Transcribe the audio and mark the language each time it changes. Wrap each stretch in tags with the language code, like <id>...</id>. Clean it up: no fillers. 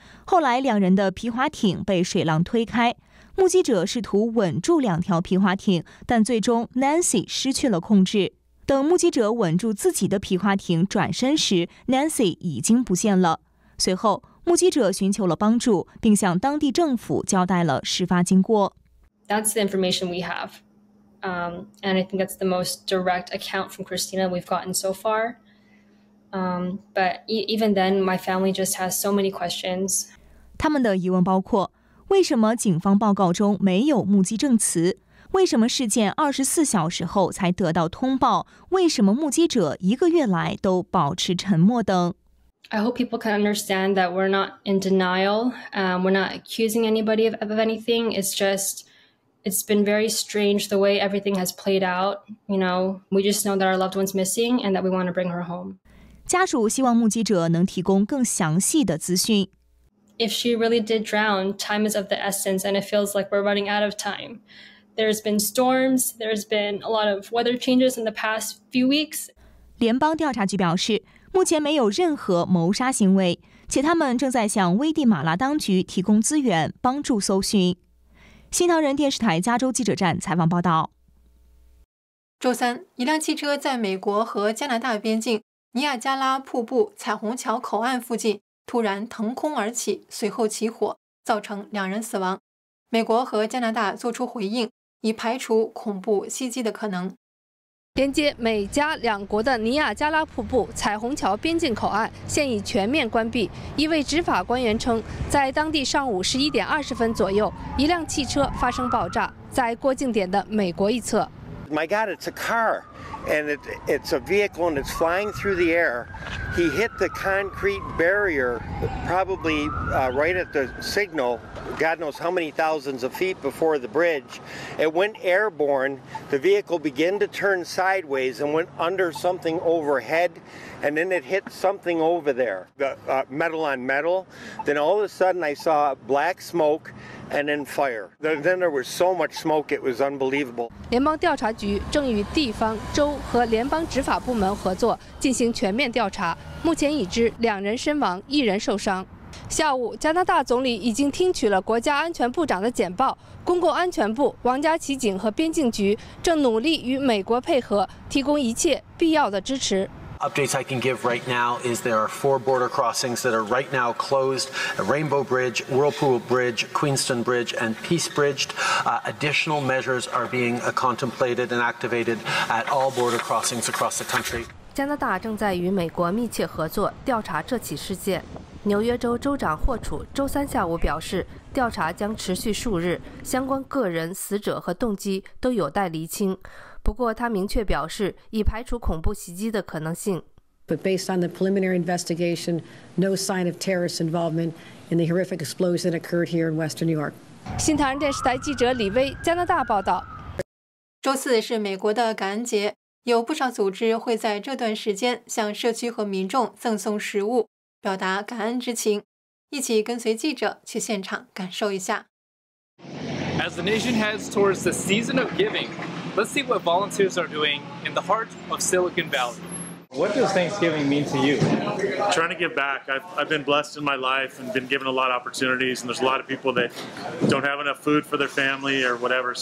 <zh>后来两人的皮划艇被水浪推开，目击者试图稳住两条皮划艇，但最终 Nancy 失去了控制。等目击者稳住自己的皮划艇转身时， Nancy 已经不见了。随后目击者寻求了帮助，并向当地政府交代了事发经过。</zh> <en>That's the information we have. And I think that's the most direct account from Christina we've gotten so far. But even then, my family just has so many questions.</en> <zh>他们的疑问包括，为什么警方报告中没有目击证词？为什么事件24小时后才得到通报？为什么目击者一个月来都保持沉默等？</zh> <en>I hope people can understand that we're not in denial. We're not accusing anybody of anything. It's been very strange the way everything has played out. You know, we just know that our loved one's missing and that we want to bring her home.</en> <zh>家属希望目击者能提供更详细的资讯。</zh> <en>If she really did drown, time is of the essence, and it feels like we're running out of time. There's been storms. There's been a lot of weather changes in the past few weeks.</en> <zh>联邦调查局表示，目前没有任何谋杀行为，且他们正在向危地马拉当局提供资源帮助搜寻。新唐人电视台加州记者站采访报道。周三，一辆汽车在美国和加拿大边境尼亚加拉瀑布彩虹桥口岸附近突然腾空而起，随后起火，造成两人死亡。美国和加拿大作出回应，以排除恐怖袭击的可能。连接美加两国的尼亚加拉瀑布彩虹桥边境口岸现已全面关闭。一位执法官员称，在当地上午11:20左右，一辆汽车发生爆炸，在过境点的美国一侧。</zh> <en>My God, it's a car, and it's a vehicle, and it's flying through the air. He hit the concrete barrier, probably right at the signal. God knows how many thousands of feet before the bridge. It went airborne. The vehicle began to turn sideways and went under something overhead, and then it hit something over there, metal on metal. Then all of a sudden, I saw black smoke. And then fire. Then there was so much smoke, it was unbelievable.</en> <zh>联邦调查局正与地方、州和联邦执法部门合作进行全面调查。目前已知两人身亡，一人受伤。下午，加拿大总理已经听取了国家安全部长的简报。公共安全部、王家骑警和边境局正努力与美国配合，提供一切必要的支持。</zh> <en>Updates I can give right now is there are 4 border crossings that are right now closed. Rainbow Bridge, Whirlpool Bridge, Queenston Bridge, and Peace Bridge. Additional measures are being contemplated and activated at all border crossings across the country.</en> <zh>加拿大正在与美国密切合作调查这起事件。纽约州州长霍楚周三下午表示，调查将持续数日，相关个人、死者和动机都有待厘清。不过他明确表示，已排除恐怖袭击的可能性。</zh> <en>But based on the preliminary investigation, no sign of terrorist involvement in the horrific explosion occurred here in Western New York.</en> <zh>新唐人电视台记者李威，加拿大报道。周四是美国的感恩节，有不少组织会在这段时间向社区和民众赠送食物，表达感恩之情。一起跟随记者去现场感受一下。</zh> <en>As the nation heads towards the season of giving, let's see what volunteers are doing in the heart of Silicon Valley. What does Thanksgiving mean to you? Trying to give back. I've been blessed in my life and been given a lot of opportunities, and there's a lot of people that don't have enough food for their family or whatever.</en>